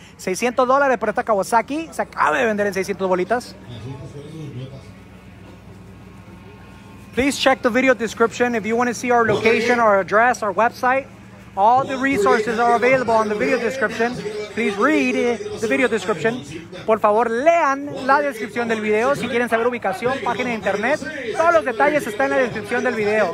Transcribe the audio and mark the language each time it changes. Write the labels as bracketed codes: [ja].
[es] $600 por esta Kawasaki. Se acaba de vender en 600 bolitas. [en] Please check the video description if you want to see our location, our address, our website. All the resources are available on the video description. Please read the video description. [es] Por favor, lean la descripción del video si quieren saber ubicación, página de internet. Todos los detalles están en la descripción del video.